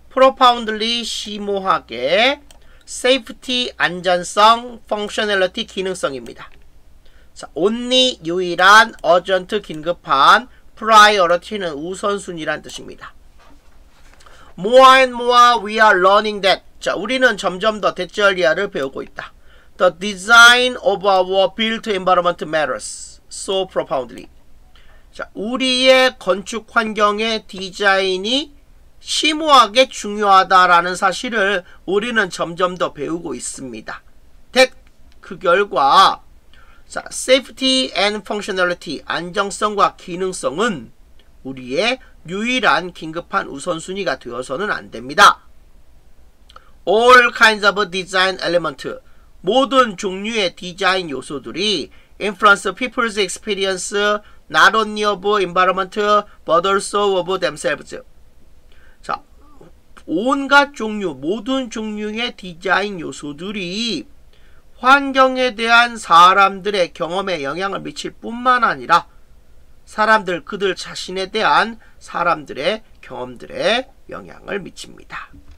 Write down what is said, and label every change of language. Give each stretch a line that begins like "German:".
Korean: profoundly 심오하게, safety 안전성, functionality 기능성입니다. 자, only 유일한, urgent 긴급한, priority는 우선순위란 뜻입니다.
English: More and more we are learning that.
Korean: 자, 우리는 점점 더 대절리아를 배우고 있다.
English: The design of our built environment matters so profoundly.
Korean: 자, 우리의 건축 환경의 디자인이 심오하게 중요하다라는 사실을 우리는 점점 더 배우고 있습니다. That 그 결과 자,
English: safety and functionality,
Korean: 안정성과 기능성은 우리의 유일한 긴급한 우선순위가 되어서는 안 됩니다.
English: All kinds of design elements,
Korean: 모든 종류의 디자인 요소들이
English: influence people's experience not only of environment but also of themselves.
Korean: 자, 온갖 종류, 모든 종류의 디자인 요소들이 환경에 대한 사람들의 경험에 영향을 미칠 뿐만 아니라 사람들 그들 자신에 대한 사람들의 경험들에 영향을 미칩니다.